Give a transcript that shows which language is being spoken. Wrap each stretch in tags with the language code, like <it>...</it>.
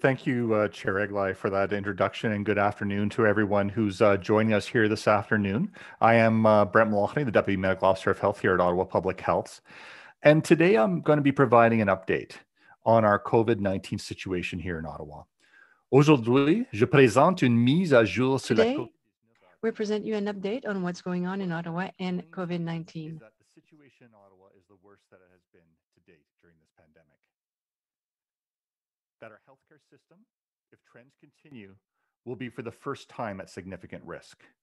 <en>Thank you, Chair Eglai, for that introduction and good afternoon to everyone who's joining us here this afternoon. I am Brent Mulhoney, the Deputy Medical Officer of Health here at Ottawa Public Health. And today I'm going to be providing an update on our COVID-19 situation here in Ottawa.</en> <fr>Aujourd'hui, je présente une mise à jour sur la COVID-19.</fr> <en>Today, we present you an update on what's going on in Ottawa and COVID-19. The situation in Ottawa is the worst that it has been to date during this pandemic. That our healthcare system, if trends continue, will be for the first time at significant risk.</en>